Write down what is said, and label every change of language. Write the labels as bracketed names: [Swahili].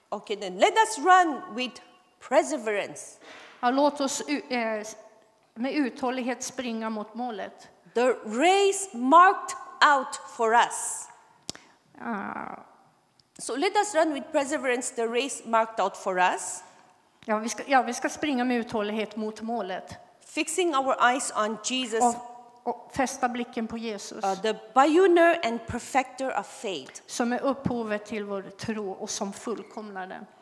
[English] Okay, then let us run with perseverance. [Swedish] Låt oss med uthållighet springa mot målet. [English] The race marked out for us. So let us run with perseverance the race marked out for us. [Swedish] Ja, vi ska springa med uthållighet mot målet. [English] Fixing our eyes on Jesus, [Swedish] och fästa blicken på Jesus, [English] the pioneer and perfecter of faith, [Swedish] som är upphovet till vår tro och som fullkomnar den.